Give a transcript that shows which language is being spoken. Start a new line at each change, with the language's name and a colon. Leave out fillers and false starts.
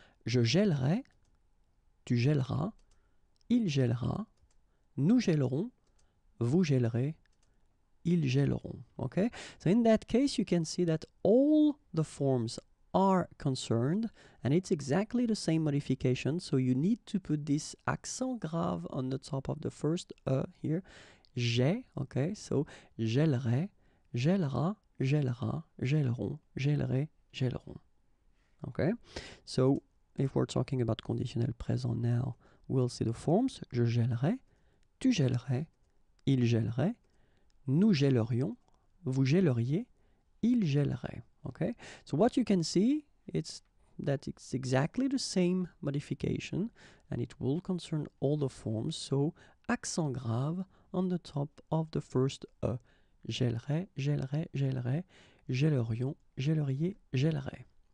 French: Je gèlerai, tu gèleras, il gèlera, nous gèlerons, vous gèlerez, ils gèleront.
English: Okay, so in that case you can see that all the forms are concerned, and it's exactly the same modification, so you need to put this accent grave on the top of the first E here.
French: J'ai,
English: okay, so
French: gèlerai, gèlera, gèlera, gèlerons, gèlerai, gèlerons.
English: Okay, so if we're talking about conditionnel présent now, we'll see the forms.
French: Je gèlerai, tu gèlerais, il gèlerait, nous gèlerions, vous gèleriez, il gèlerait.
English: Okay, so what you can see is that it's exactly the same modification and it will concern all the forms. So, accent grave on the top of the first E.
French: Gèlerai, gèlerai, gèlerai, gèlerions, gèleriez, gèlerai.